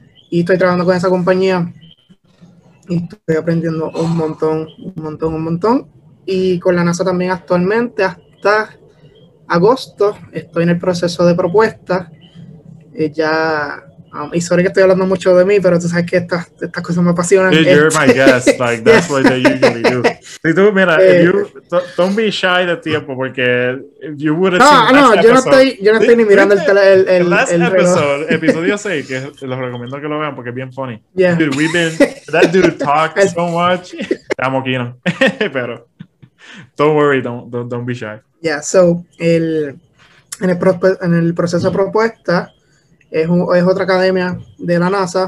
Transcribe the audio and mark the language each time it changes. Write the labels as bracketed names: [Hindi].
[Spanish] y estoy trabajando con esa compañía y estoy aprendiendo un montón, un montón, un montón. Y con la NASA también actualmente, hasta agosto, estoy en el proceso de propuestas. Ya, y sorry que estoy hablando mucho de mí, pero tú sabes que estas cosas me apasionan. [English] Dude, you're my guest, like, that's what they usually do. [Spanish] Si tú, mira, [English] don't be shy [Spanish] de tiempo, porque [English] you would have seen last episode. [Spanish] Yo no estoy ni mirando el last episodio 6, que los recomiendo que lo vean, porque es bien funny. [English] Yeah. Dude, that dude talks so much. [Spanish] Estamos aquí, ¿no? [English] Pero, don't worry, don't be shy. [Spanish] Yeah, so, en el proceso de propuesta, es otra academia de la NASA.